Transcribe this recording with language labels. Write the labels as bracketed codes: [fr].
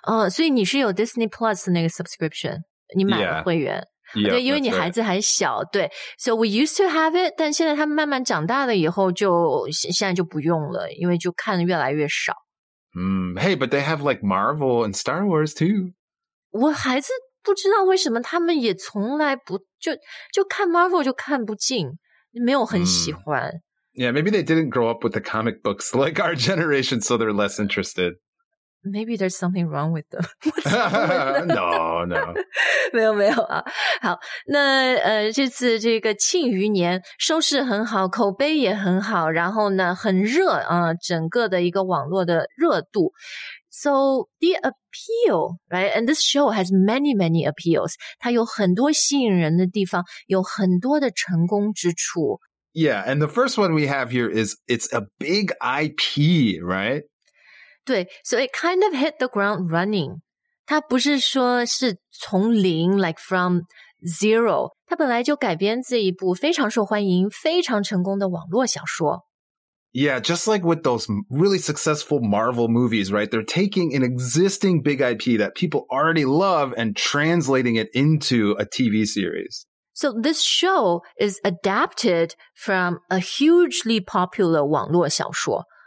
[zh] 所以你是有 Disney Plus 那个 subscription, 你买了会员。 [en] Yeah, [zh] 对，因为你孩子还小，对。 [en] So we used to have it, [zh] 但现在他们慢慢长大了以后就现在就不用了，因为就看越来越少。 [en] Hey, but they have like Marvel and Star Wars too. [zh] 我孩子不知道为什么他们也从来不就看 Marvel 就看不进，没有很喜欢。 [en] Yeah, maybe they didn't grow up with the comic books like our generation, so they're less interested. Maybe there's something wrong with them. No. [zh] 没有没有啊。好，那这次这个庆余年收视很好，口碑也很好，然后呢很热啊、整个的一个网络的热度。 [en] So the appeal, right? And this show has many, many appeals. [zh] 它有很多吸引人的地方，有很多的成功之处。 [en] Yeah, and the first one we have here is it's a big IP, right? 对, so it kind of hit the ground running. [zh] 它不是说是从零, [en] like from zero. [zh] 它本来就改编自一部非常受欢迎、非常成功的网络小说。 [en] Yeah, just like with those really successful Marvel movies, right? They're taking an existing big IP that people already love and translating it into a TV series. So this show is adapted from a hugely popular 网络小说。